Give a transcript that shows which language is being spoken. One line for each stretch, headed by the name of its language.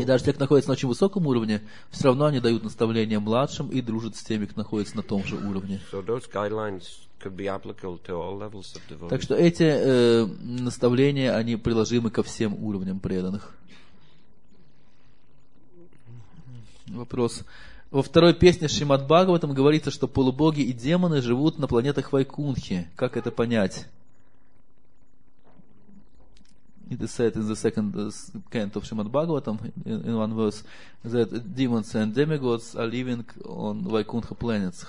Russian: И даже те, кто находится на очень высоком уровне, все равно они дают наставления младшим и дружат с теми, кто находится на том же уровне.
English: So those guidelines could be applicable to all levels of devotees.
Russian: Так что эти наставления, они приложимы ко всем уровням преданных. Вопрос. Во второй песне Шримад Бхагаватам говорится, что полубоги и демоны живут на планетах Вайкунхи. Как это понять?
English: It is said in the second canto of Shrimad Bhagavatam, in one verse, that demons and demigods are living on Vaikuntha planets.